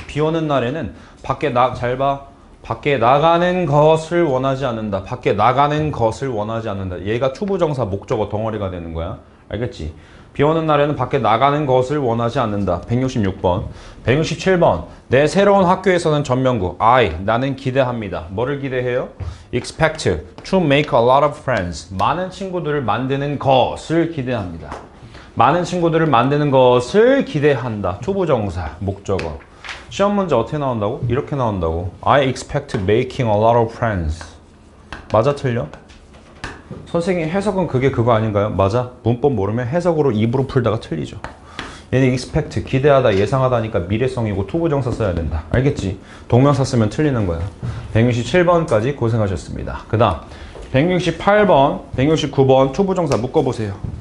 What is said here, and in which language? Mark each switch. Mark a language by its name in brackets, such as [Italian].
[Korean] 비 오는 날에는 밖에 나, 잘 봐. 밖에 나가는 것을 원하지 않는다. 밖에 나가는 것을 원하지 않는다. 얘가 초보정사 목적어 덩어리가 되는 거야. 알겠지? 비 오는 날에는 밖에 나가는 것을 원하지 않는다. 166번. 167번. 내 새로운 학교에서는 전면구. I. 나는 기대합니다. 뭐를 기대해요? [English] Expect to make a lot of friends. [Korean] 많은 친구들을 만드는 것을 기대합니다. 많은 친구들을 만드는 것을 기대한다. 초보정사, 목적어. 시험 문제 어떻게 나온다고? 이렇게 나온다고. [English] I expect making a lot of friends. [Korean] 맞아, 틀려? 선생님, 해석은 그게 그거 아닌가요? 맞아. 문법 모르면 해석으로 입으로 풀다가 틀리죠. 얘는 expect, 기대하다, 예상하다니까 미래성이고 초보정사 써야 된다. 알겠지? 동명사 쓰면 틀리는 거야. 167번까지 고생하셨습니다. 그 다음, 168번, 169번 초보정사 묶어보세요.